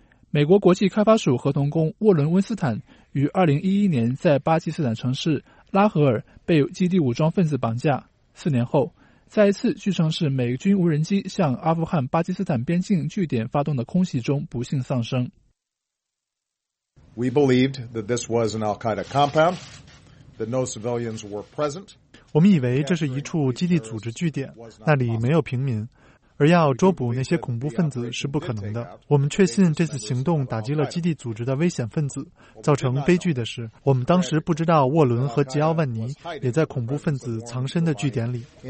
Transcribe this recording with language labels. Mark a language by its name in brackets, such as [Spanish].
[Chinese] 美国国际开发署合同工沃伦·温斯坦于2011年在巴基斯坦城市拉合尔被基地武装分子绑架，四年后在一次据称是美军无人机向阿富汗巴基斯坦边境据点发动的空袭中不幸丧生。 [English] We believed that this was an al-Qaeda compound, that no civilians were present. [Chinese] 我们以为这是一处基地组织据点，那里没有平民，而要捉捕那些恐怖分子是不可能的。我们确信这次行动打击了基地组织的危险分子。造成悲剧的是，我们当时不知道沃伦和吉奥万尼也在恐怖分子藏身的据点里。